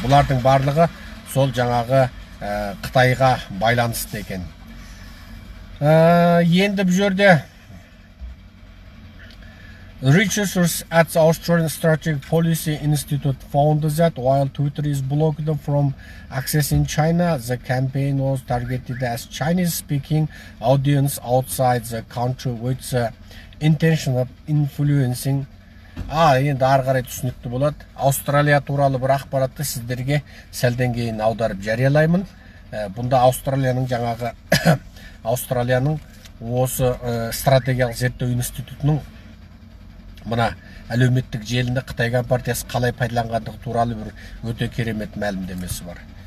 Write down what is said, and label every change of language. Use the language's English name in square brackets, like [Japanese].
[Kazakh] Бұлардың барлығы сол жаңағы Қытайға байланысты екен. Енді бұл жерде [English] Researchers at the Australian Strategic Policy Institute found that while Twitter is blocked from accessing China, the campaign was targeted as Chinese-speaking audience outside the country with the intention of influencing. [Kazakh] Енді ары қарай түсінікті болады. Австралия туралы бір ақпаратты сіздерге сәлден кейін аударып жариялаймын. Бұнда Австралияның жаңағы Австралияның осы стратегиялық зерттеу институтының мына әлеуметтік желіні Қытай компартиясы қалай пайдаланғандығы туралы бір өте керемет мәлімдемесі бар.